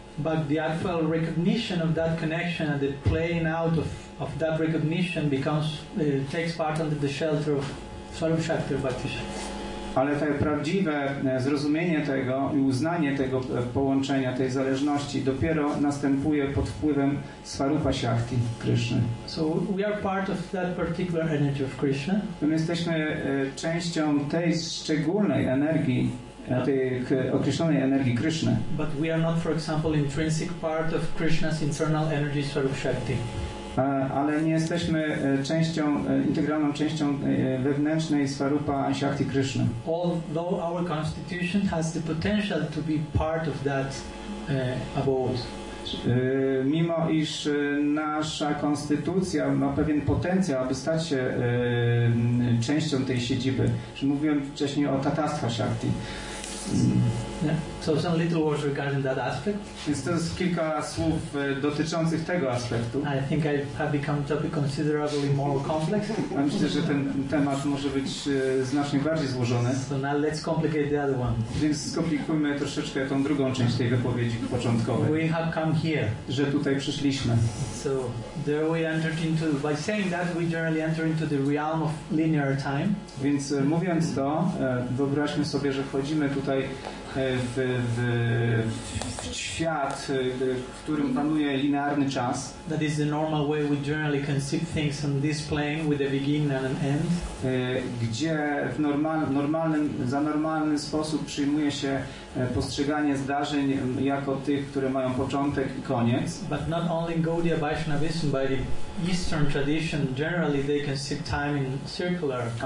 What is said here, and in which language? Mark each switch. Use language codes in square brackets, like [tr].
[en] But the actual recognition of that connection and the playing out of that recognition takes part under the shelter of Swarup Shakti Bhakti. [pl] Ale to prawdziwe zrozumienie tego i uznanie tego połączenia, tej zależności dopiero następuje pod wpływem Swarupa Shakti Krishna. [en] So we are part of that particular energy of Krishna. [pl] My jesteśmy częścią tej szczególnej energii, tej określonej energii Krishna. [en] But we are not, for example, intrinsic part of Krishna's internal energy Swarupa Shakti. [pl] Ale nie jesteśmy częścią, integralną częścią wewnętrznej Swarupa Shakti Krishna. [en] Although our constitution has the potential to be part of that abode. [pl] Mimo iż nasza konstytucja ma pewien potencjał, aby stać się częścią tej siedziby. Mówiłem wcześniej o tatastwa Shakti. [en] Yeah. So some little words regarding that aspect. [pl] Więc to jest kilka słów dotyczących tego aspektu. [en] I think I have become topic considerably more complex. [pl] Ja myślę, że ten temat może być znacznie bardziej złożony. [en] So now let's complicate the other one. [pl] Więc skomplikujmy troszeczkę tą drugą część tej wypowiedzi początkowej. [en] We have come here. [pl] Że tutaj przyszliśmy. [en] So there we entered into, by saying that we generally enter into the realm of linear time. [pl] Więc mówiąc to, wyobraźmy sobie, że wchodzimy tutaj w świat, w którym panuje linearny czas. [en] That is the normal way we generally conceive things on this plane with a beginning and an end. [pl] Gdzie w normalny sposób przyjmuje się postrzeganie zdarzeń jako tych, które mają początek i koniec. [en] But not only Gaudiya Vaishnavism, by the Eastern tradition generally they conceive time in circular.